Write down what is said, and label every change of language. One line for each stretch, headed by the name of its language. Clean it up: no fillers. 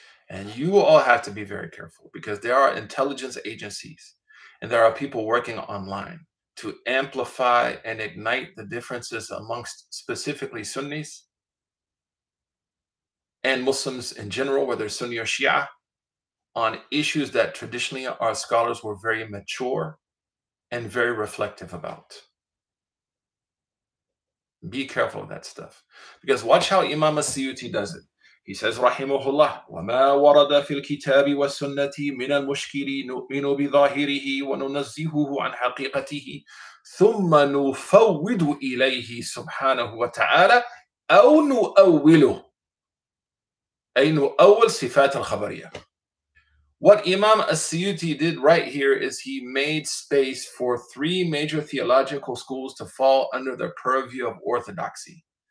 English: And you all have to be very careful, because there are intelligence agencies and there are people working online to amplify and ignite the differences amongst specifically Sunnis and Muslims in general, whether Sunni or Shia, on issues that traditionally our scholars were very mature and very reflective about. Be careful of that stuff. Because watch how Imam al-Suyuti does it. He says,
Arabic: Rahimahullah, وَمَا وَرَدَ فِي الْكِتَابِ وَالسُنَّةِ مِنَ الْمُشْكِلِ نُؤْمِنُ بِظَاهِرِهِ وَنُنَزِّهُهُ عَنْ حَقِيقَتِهِ ثُمَّ نُفَوِّدُ إِلَيْهِ سُبْحَانَهُ وَتَعَالَى أَوْ نُؤَوِّلُ أَيْ نُؤَوَّلْ صِفَاتَ الْخَبَرِيَةِ.
English: What Imam al-Suyuti did right here is he made space for three major theological schools to fall under the purview of orthodoxy.